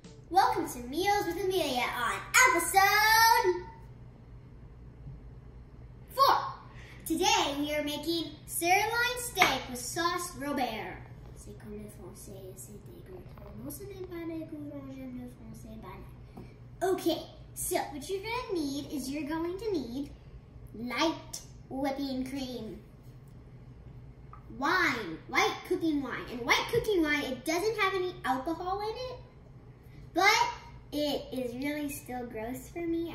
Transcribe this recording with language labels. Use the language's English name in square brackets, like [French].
[English] Welcome to Meals with Amelia on episode 4. Today we are making sirloin steak with sauce Robert. [French] C'est comme le français, c'est dégueulasse. Ce n'est pas dégueulasse, le français, banal. [English] Okay, so what you're going to need is you're going to need light whipping cream. Wine, white cooking wine. And white cooking wine, it doesn't have any alcohol in it. But it is really still gross for me.